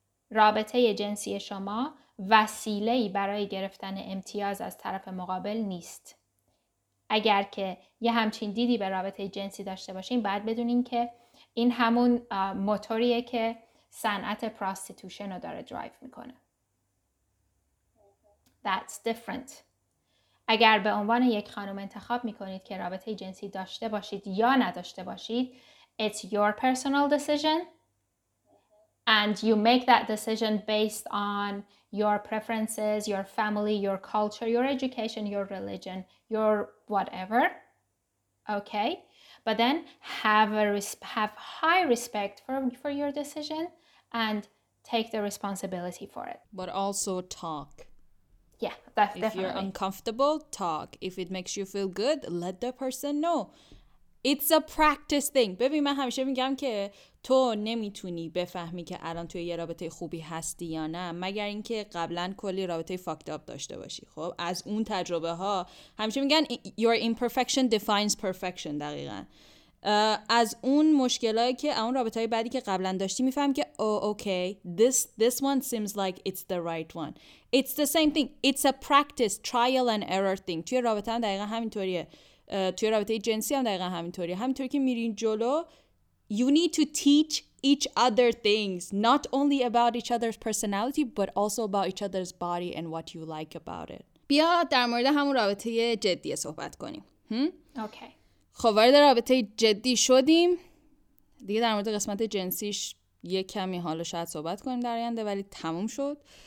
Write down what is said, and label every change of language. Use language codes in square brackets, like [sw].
[fa] رابطه جنسی شما وسیله برای گرفتن امتیاز از طرف مقابل نیست. اگر که یه همچین دیدی به رابطه جنسی داشته باشین، باید بدونین که این همون موتوریه که صنعت پراستیتوشن رو داره درایف میکنه. [en] That's different. [fa] اگر به عنوان یک خانم انتخاب میکنید که رابطه جنسی داشته باشید یا نداشته باشید، [en] it's your personal decision and you make that decision based on your preferences, your family, your culture, your education, your religion, your whatever. Okay? But then have high respect for your decision. And take the responsibility for it. But also talk. Yeah, definitely. If you're uncomfortable, talk. If it makes you feel good, let the person know. It's a practice thing. [fa] ببین من همیشه میگم که تو نمیتونی بفهمی که الان توی یه رابطه خوبی هستی یا نه مگر اینکه قبلا کلی رابطه [en] fucked up [fa] داشته باشی. خب از اون تجربه ها همیشه میگن [en] your imperfection defines perfection. [fa] دقیقاً. از اون مشکلایی که اون رابطه های بعدی که قبلا داشتی میفهم که اوکی [en] this one seems like it's the right one. It's the same thing. It's a practice, trial and error thing. [fa] توی رابطه هم دقیقا همینطوریه. توی رابطه جنسی هم دقیقا همینطوریه. همینطوری که میرین جلو [en] you need to teach each other things not only about each other's personality but also about each other's body and what you like about it. [fa] بیا در مورد همون رابطه جدی صحبت کنیم. اوکی. خب وارد رابطه جدی شدیم دیگه، در مورد قسمت جنسیش یه کمی حالا شاید صحبت کنیم در آینده، ولی تموم شد.